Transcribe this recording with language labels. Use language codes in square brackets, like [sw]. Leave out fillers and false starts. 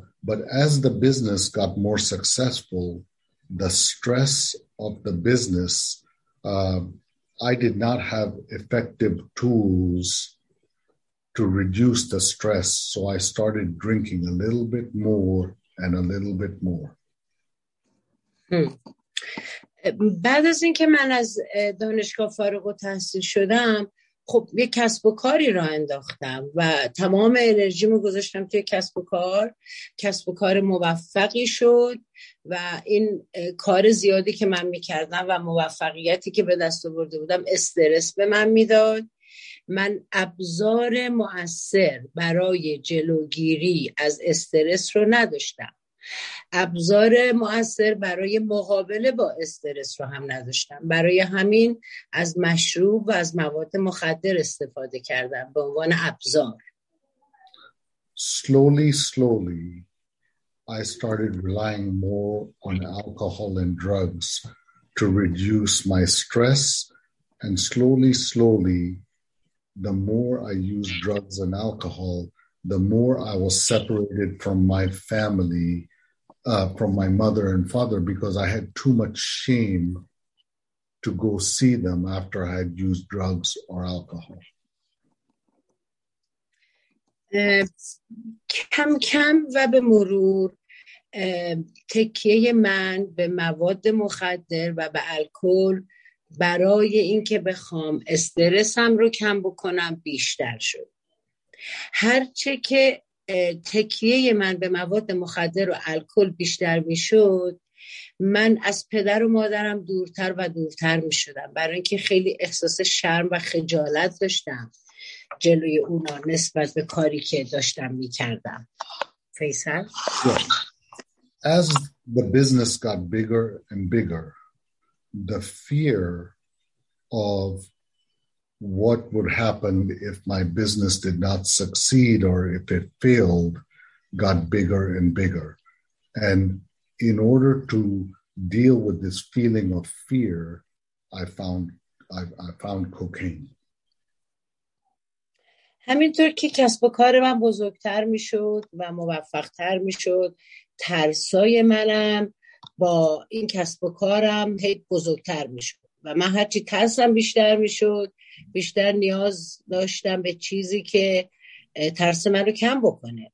[en] But as the business got more successful, the stress of the business, I did not have effective tools to reduce the stress. So I started drinking a little bit more and a little bit more. [fa] بعد از این که من از دانشگاه فارغ التحصیل شدم، خب یک کسب و کاری را انداختم و تمام انرژیمو گذاشتم توی کسب و کار. کسب و کار موفقی شد و این کار زیادی که من میکردم و موفقیتی که به دست آورده بودم استرس به من میداد. من ابزار مؤثر برای جلوگیری از استرس رو نداشتم، ابزار مؤثر برای مقابله با استرس رو هم نداشتم، برای همین از مشروب و از مواد مخدر استفاده کردم به عنوان ابزار. [en] Slowly I started relying more on alcohol and drugs to reduce my stress, and slowly the more I used drugs and alcohol, the more I was separated from my family, from my mother and father, because I had too much shame to go see them after I had used drugs or alcohol. [fa] کم کم و به مرور تکیه من به مواد مخدر و به الکل برای اینکه بخوام استرسم رو کم بکنم بیشتر شد. هرچه که تکیه من به مواد مخدر و الکل بیشتر می شد، من از پدر و مادرم دورتر و دورتر می شدم، برای اینکه خیلی احساس شرم و خجالت داشتم جلوی اونا نسبت به کاری که داشتم می کردم. فیصل؟ [en] As the business got bigger and bigger, the fear of what would happen if my business did not succeed or if it failed got bigger and bigger. And in order to deal with this feeling of fear, I found cocaine. [fa] همینطور که کسب و کار من بزرگتر میشد و موفقتر میشد، ترسای منم با این کسب و کارم هی بزرگتر میشد و من هرچی ترسم بیشتر میشد، بیشتر نیاز داشتم به چیزی که ترس من رو کم بکنه.